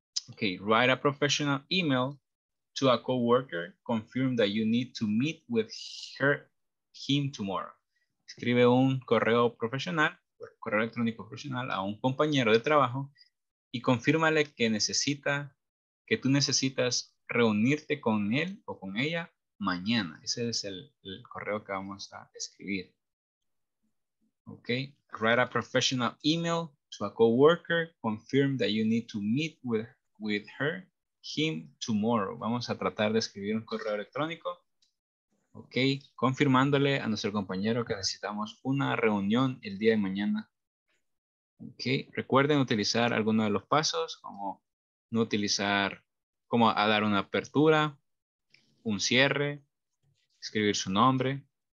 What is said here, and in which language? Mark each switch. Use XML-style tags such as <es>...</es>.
<en>Ok, write a professional email to a coworker, confirm that you need to meet with him tomorrow.</en> <es>Escribe un correo profesional, correo electrónico profesional a un compañero de trabajo y confírmale que tú necesitas reunirte con él o con ella mañana. Ese es el correo que vamos a escribir.</es> <en>Ok. Write a professional email to a coworker. Confirm that you need to meet with her, him tomorrow.</en> <es>Vamos a tratar de escribir un correo electrónico. Ok. Confirmándole a nuestro compañero que necesitamos una reunión el día de mañana. Ok. Recuerden utilizar alguno de los pasos, como no utilizar... Como a dar una apertura, un cierre, escribir su nombre.</es>